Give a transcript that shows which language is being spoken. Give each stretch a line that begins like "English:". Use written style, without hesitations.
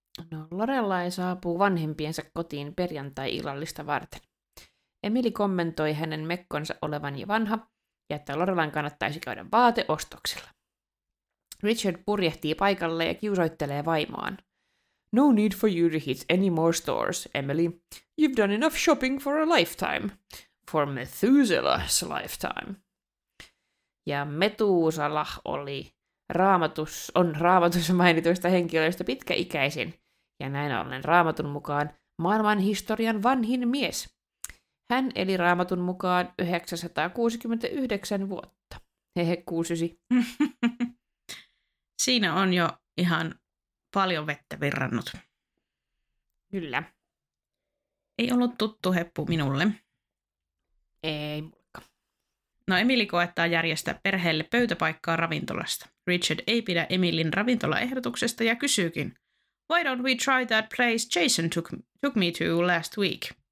Finnish: No Lorelai saapuu vanhempiensa kotiin perjantai-illallista varten. Emily kommentoi hänen mekkonsa olevan jo vanha ja että Lorelain kannattaisi käydä vaateostoksilla. Richard purjehtii paikalle ja kiusoittelee vaimoaan.
English: No need for you to hit any more stores, Emily. You've done enough shopping for a lifetime. For Methuselah's lifetime.
Finnish: Ja Methuselah oli Raamatussa mainituista henkilöistä pitkäikäisin. Ja näin ollen Raamatun mukaan maailman historian vanhin mies. Hän eli Raamatun mukaan 969 vuotta. Hehe, 69. Siinä on jo ihan paljon vettä virrannut. Kyllä. Ei ollut tuttu heppu minulle. Ei mulka. No Emily koettaa järjestää perheelle pöytäpaikkaa ravintolasta. Richard ei pidä Emilin ravintolaehdotuksesta ja kysyykin.
English: Why don't we try that place Jason took me to last week?